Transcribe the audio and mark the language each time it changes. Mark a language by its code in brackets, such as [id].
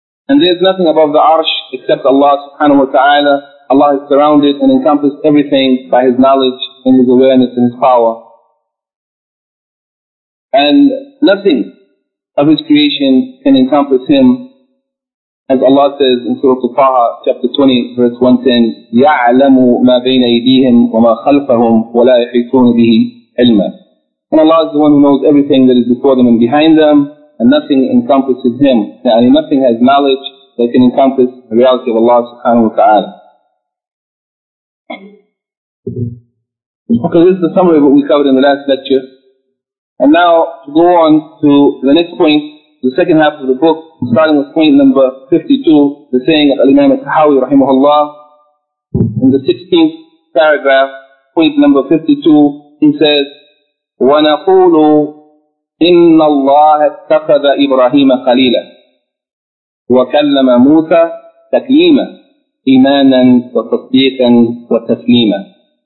[en] And there is nothing above the arsh except Allah subhanahu wa ta'ala. Allah is surrounded and encompassed everything by His knowledge and His awareness and His power. And nothing of His creation can encompass Him. As Allah says in Surah Al-Taha, chapter 20, verse 110, [ar] يَعْلَمُ مَا بَيْنَ أَيْدِيهِمْ وَمَا خَلْفَهُمْ وَلَا يَحِيطُونَ بِهِ عِلْمًا. [en] And Allah is the one who knows everything that is before them and behind them, and nothing encompasses Him. And nothing has knowledge that can encompass the reality of Allah subhanahu wa ta'ala. Okay, this is the summary of what we covered in the last lecture. And now, to go on to the next point, the second half of the book, starting with point number 52, the saying of Imam al-Sahawi rahimahullah, in the 16th paragraph, point number 52, he says, [ar] وَنَقُولُ إِنَّ اللَّهَ اتَّخَذَ إِبْرَاهِيمَ خَلِيلًا وَكَلَّمَ مُوسَى تَكْلِيمًا إِيمَانًا وَتَصْدِيقًا وَتَسْلِيمًا.